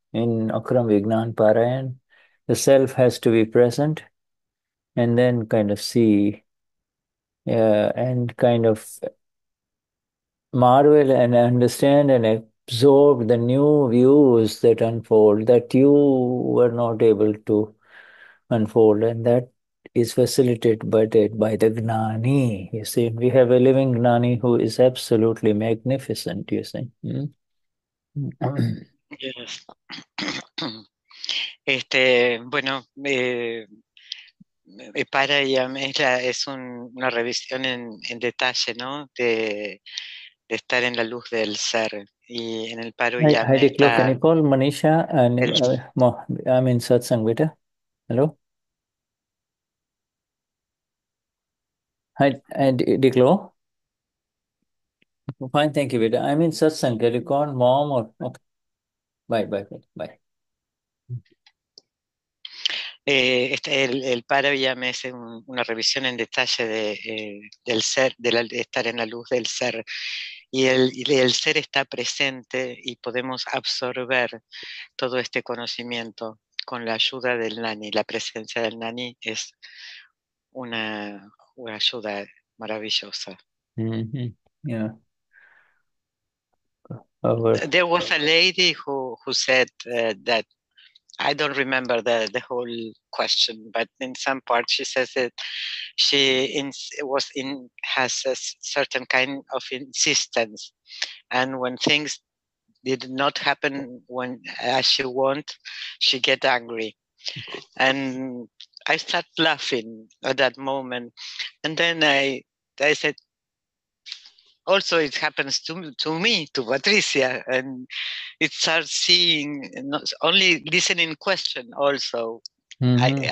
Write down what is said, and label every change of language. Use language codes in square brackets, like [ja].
[en] In Akram Vignan Parayan, the self has to be present and then kind of see and kind of marvel and understand and absorb the new views that unfold that you were not able to unfold, and that is facilitated by the Gnani. You see, we have a living Gnani who is absolutely magnificent. You see, Yes. [es] Este, bueno, para ella es una revisión en detalle, ¿no? De estar en la luz del ser. Y en el paro ya [en] está. Hi, hello, can you call Manisha? And I'm in satsang with her. Hello. Hi, Diklo. Fine, thank you, Vida. I'm in satsang. Can you call mom or okay? Bye. [es] Este, el para ya me hace una revisión en detalle del ser, de estar en la luz del ser. Y el ser está presente y podemos absorber todo este conocimiento con la ayuda del Nani. La presencia del Nani es una ayuda maravillosa. [en] Mm-hmm. Yeah. There was a lady who said that, I don't remember the whole question, but in some part she says that she has a certain kind of insistence, and when things did not happen when as she want, she get angry, and I start laughing at that moment, and then I said, also it happens to me, to Patricia, and it starts seeing, not only listening question also, mm-hmm.